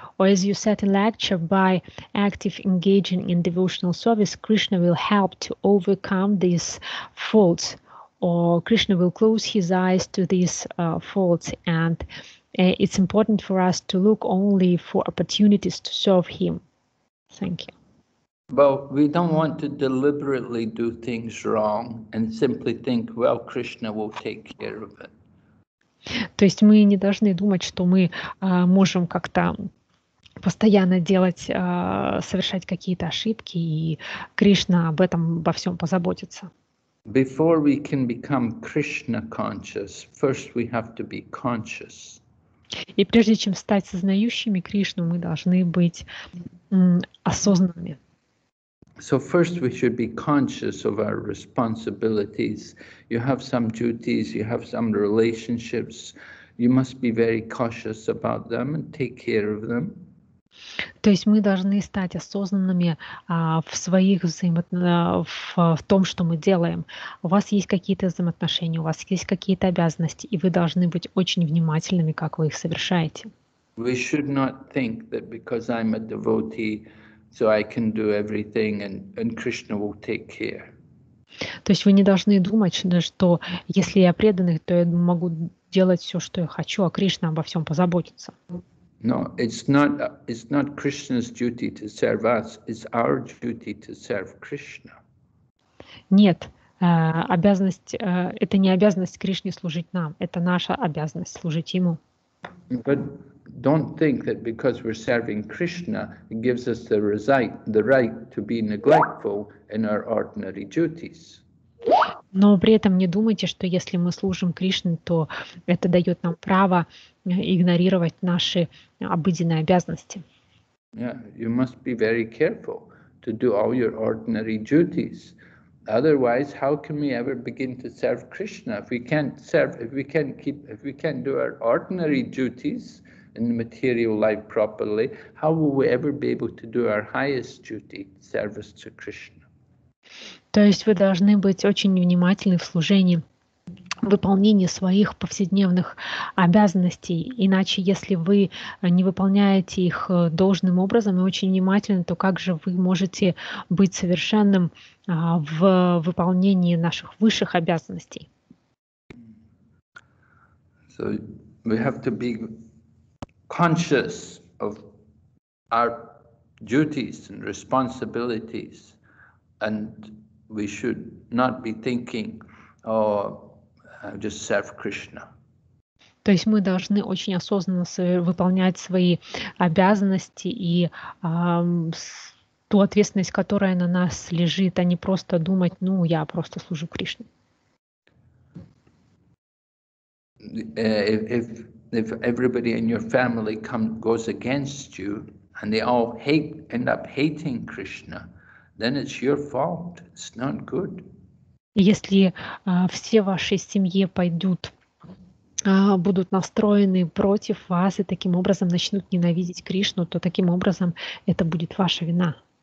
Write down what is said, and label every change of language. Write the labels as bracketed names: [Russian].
[English] Or as you said in lecture, by active engaging in devotional service, Krishna will help to overcome these faults, or Krishna will close his eyes to these faults, and it's important for us to look only for opportunities to serve him. Thank you. Well, we don't want to deliberately do things wrong and simply think, well, Krishna will take care of it. [Russian] То есть мы не должны думать, что мы можем как-то постоянно делать, совершать какие-то ошибки, и Кришна об этом, обо всем позаботится. [English] Before we can become Krishna conscious, first we have to be conscious. [Russian] И прежде чем стать сознающими Кришну, мы должны быть осознанными. [English] So first we should be conscious of our responsibilities. You have some duties, you have some relationships. You must be very cautious about them and take care of them. [Russian] То есть мы должны стать осознанными в своих в том, что мы делаем. У вас есть какие-то взаимоотношения, у вас есть какие-то обязанности, и вы должны быть очень внимательными, как вы их совершаете. [English] We should not think that because I'm a devotee, so I can do everything and Krishna will take care. [Russian] То есть вы не должны думать, что если я преданный, то я могу делать все, что я хочу, а Кришна обо всем позаботится. [English] No, it's not Krishna's duty to serve us. It's our duty to serve Krishna. [Russian] Нет, обязанность это не обязанность Кришне служить нам. Это наша обязанность служить ему. [English] But don't think that because we're serving Krishna, it gives us the right to be neglectful in our ordinary duties. [Russian] Но при этом не думайте, что если мы служим Кришне, то это дает нам право игнорировать наши обыденные обязанности. [English] Yeah, you must be very careful to do all your ordinary duties. Otherwise, how can we ever begin to serve Krishna if we can't serve, if we can't do our ordinary duties in the material life properly? How will we ever be able to do our highest duty, service to Krishna? [Russian] То есть вы должны быть очень внимательны в служении, в выполнении своих повседневных обязанностей. Иначе, если вы не выполняете их должным образом и очень внимательно, то как же вы можете быть совершенным в выполнении наших высших обязанностей? [English] So we have to be conscious of our duties and responsibilities, and we should not be thinking, oh, just serve Krishna. [Russian] То есть мы должны очень осознанно выполнять свои обязанности и ту ответственность, которая на нас лежит, а не просто думать, ну, я просто служу Кришне. [English] If everybody in your family goes against you and they all end up hating Krishna, then it's your fault. It's not good. [Russian] Если все в вашей семье пойдут, будут настроены против вас и таким образом начнут ненавидеть Кришну, то таким образом это будет ваша вина.